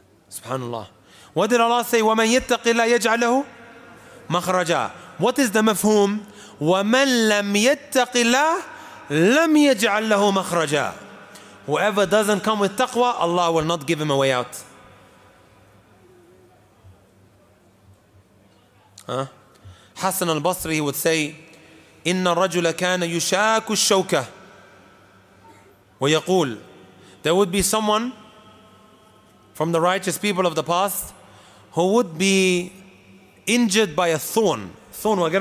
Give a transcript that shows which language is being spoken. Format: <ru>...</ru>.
<en>Subhanallah. What did Allah say?</en> <ar>وَمَنْ يَتَّقِ اللَّهِ يَجْعَلْ لَهُ مَخْرَجًا.</ar> <en>What is the mafhum?</en> <ar>وَمَنْ لَمْ يَتَّقِ اللَّهِ لَمْ يَجْعَلْ لَهُ مَخْرَجًا.</ar> <en>Whoever doesn't come with taqwa, Allah will not give him a way out. Huh? Hassan al-Basri, he would say,</en> <ar>إِنَّ الرَّجُلَ كَانَ يُشَاكُ الشَّوْكَةِ وَيَقُولُ.</ar> <en>There would be someone from the righteous people of the past who would be injured by a thorn. Thorn.</en>